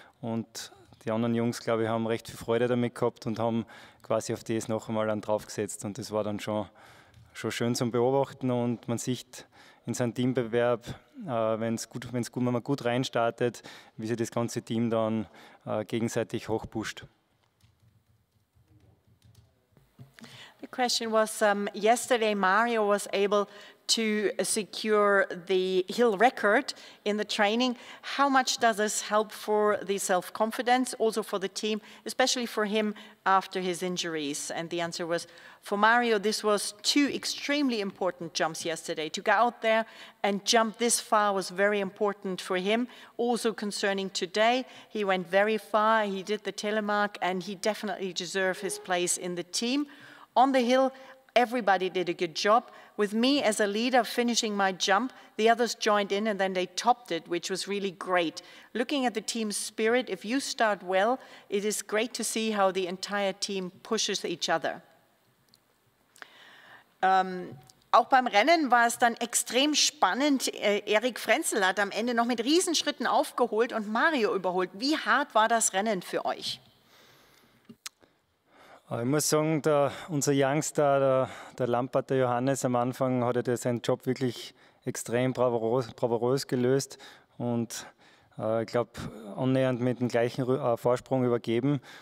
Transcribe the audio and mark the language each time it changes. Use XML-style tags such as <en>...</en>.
<de>Und die anderen Jungs, glaube ich, haben recht viel Freude damit gehabt und haben quasi auf das noch einmal einen draufgesetzt. Und das war dann schon schön zum Beobachten und man sieht in seinem Teambewerb, wenn man gut reinstartet, wie sich das ganze Team dann gegenseitig hochpusht.</de> <en>The question was, yesterday Mario was able to secure the hill record in the training. How much does this help for the self-confidence, also for the team, especially for him after his injuries? And the answer was, for Mario, this was two extremely important jumps yesterday. To go out there and jump this far was very important for him. Also concerning today, he went very far, he did the telemark, and he definitely deserved his place in the team. On the hill, everybody did a good job. With me as a leader finishing my jump, the others joined in and then they topped it, which was really great. Looking at the team's spirit, if you start well, it is great to see how the entire team pushes each other.</en> <de>Auch beim Rennen war es dann extrem spannend. Erik Frenzel hat am Ende noch mit Riesenschritten aufgeholt und Mario überholt. Wie hart war das Rennen für euch? Ich muss sagen, unser Youngster, der Lampard, der Johannes, am Anfang hat er seinen Job wirklich extrem bravourös gelöst und ich glaube, annähernd mit dem gleichen Vorsprung übergeben.</de>